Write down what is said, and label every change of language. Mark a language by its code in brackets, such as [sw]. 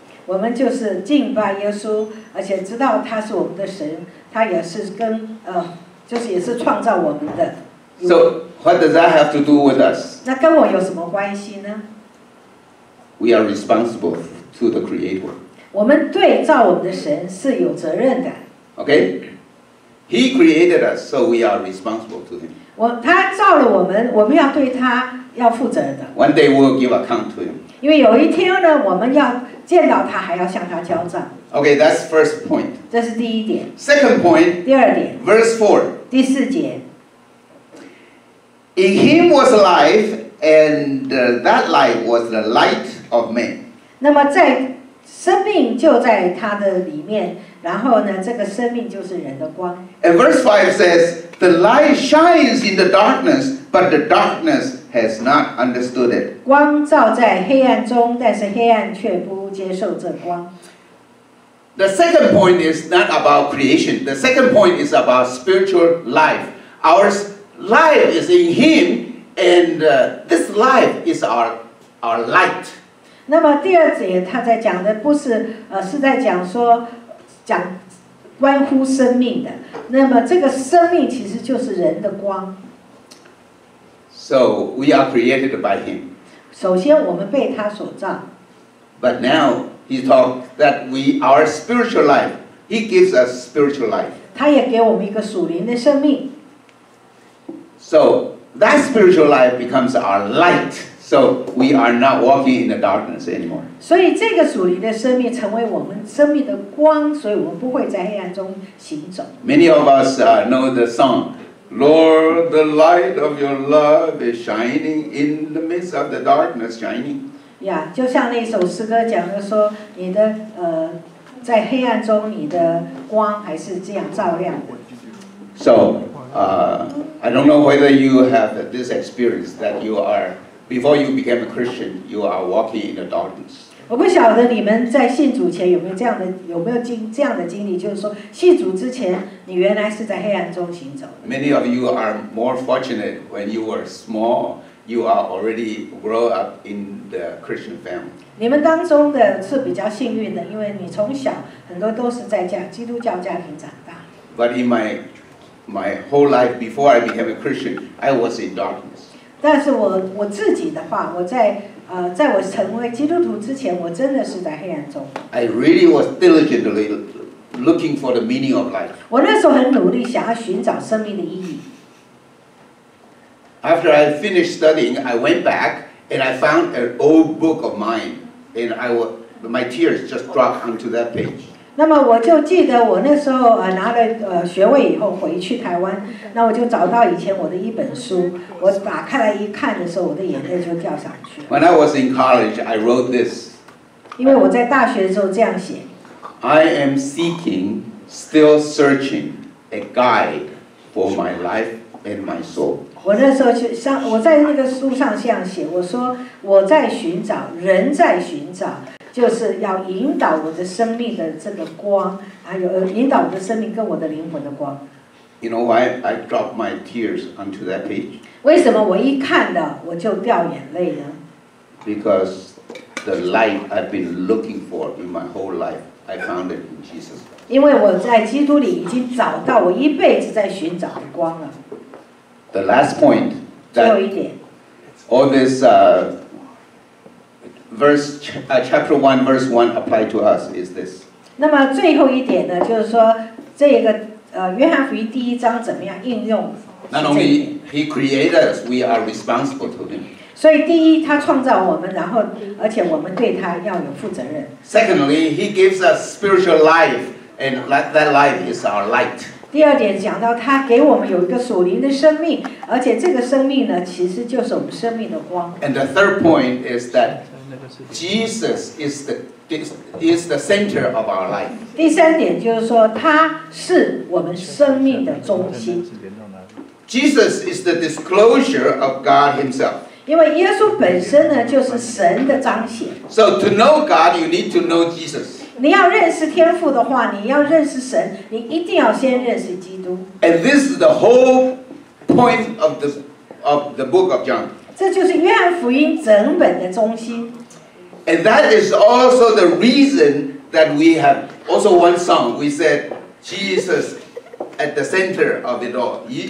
[zh] 我们就是敬拜耶稣，而且知道他是我们的神，他也是跟就是也是创造我们的。 [en] So what does that have to do with us? [zh] 那跟我有什么关系呢？ [en] We are responsible to the Creator. [zh] 我们对造我们的神是有责任的。 [en] Okay, He created us, so we are responsible to Him. [zh] 他造了我们，我们要对他要负责的。 [en] One day we'll give account to him. [zh] 因为有一天呢，我们要见到他，还要向他交账。 [en] Okay, that's first point. [zh] 这是第一点。 [en] Second point. [zh] 第二点。 [en] Verse 4. [zh] 第四节。 [en] In him was life, and that light was the light of men. [zh] 那么在生命就在他的里面，然后呢，这个生命就是人的光。 [en] And verse 5 says. The light shines in the darkness, but the darkness has not understood it. [zh] 光照在黑暗中，但是黑暗却不接受这光。 [en] The second point is not about creation. The second point is about spiritual life. Our life is in Him, and this life is our light. [zh] 那么第二节他在讲的不是是在讲说讲关乎生命的。那么这个生命其实就是人的光。 [en] So we are created by him. [zh] 首先我们被他所造。 [en] But now he talks that we are spiritual life. He gives us spiritual life. [zh] 他也给我们一个属灵的生命。 [en] So that spiritual life becomes our light. So we are not walking in the darkness anymore. [zh] 所以这个属灵的生命成为我们生命的光，所以我们不会在黑暗中行走。 [en] Many of us know the song, Lord, the light of your love is shining in the midst of the darkness, shining. [zh] Yeah, 就像那首诗歌讲的说，你的在黑暗中你的光还是这样照亮的。 [en] So, I don't know whether you have this experience that you are. Before you became a Christian, you are walking in the darkness. [zh] 我不晓得你们在信主前有没有这样的有没有经这样的经历，就是说信主之前你原来是在黑暗中行走。 [en] Many of you are more fortunate when you were small. You are already grow up in the Christian family. [zh] 你们当中的是比较幸运的，因为你从小很多都是在家基督教家庭长大。 [en] But in my whole life before I became a Christian, I was in darkness. [zh] 但是我自己的话，我在在我成为基督徒之前，我真的是在黑暗中。 [en] I really was diligently looking for the meaning of life. [zh] 我那时候很努力，想要寻找生命的意义。 [en] After I finished studying, I went back and I found an old book of mine, and my tears just dropped onto that page. [zh] 那么我就记得我那时候拿了学位以后回去台湾，那我就找到以前我的一本书，我打开来一看的时候，我的眼泪就掉下去。 [en] When I was in college, I wrote this. [zh] 因为我在大学的时候这样写。 [en] I am seeking, still searching, a guide for my life and my soul. [zh] 我那时候就像我在那个书上这样写，我说我在寻找，人在寻找。就是要引导我的生命的这个光，还有引导我的生命跟我的灵魂的光。 [en] You know why I dropped my tears onto that page? [zh] 为什么我一看到我就掉眼泪呢？ [en] Because the light I've been looking for in my whole life, I found it in Jesus. [zh] 因为我在基督里已经找到我一辈子在寻找的光了。 [en] The last point. [zh] 最后一点。 [en] All this. Chapter 1, verse 1 applied to us is this. [zh] 那么最后一点呢，就是说这个约翰福音第一章怎么样应用？ [en] Not only he created us, we are responsible to him. [zh] 所以第一，他创造我们，然后而且我们对他要有负责任。 [en] Secondly, he gives us spiritual life, and that life is our light. [zh] 第二点讲到他给我们有一个属灵的生命，而且这个生命呢，其实就是我们生命的光。 [en] And the third point is that. Jesus is the center of our life. [zh] 第三点就是说，他是我们生命的中心。 [en] Jesus is the disclosure of God Himself. [zh] 因为耶稣本身呢，就是神的彰显。 [en] So to know God, you need to know Jesus. [zh] 你要认识天父的话，你要认识神，你一定要先认识基督。 [en] And this is the whole point of the book of John. [zh] 这就是约翰福音整本的中心。 [en] And that is also the reason that we have also one song. We said Jesus at the center of it all.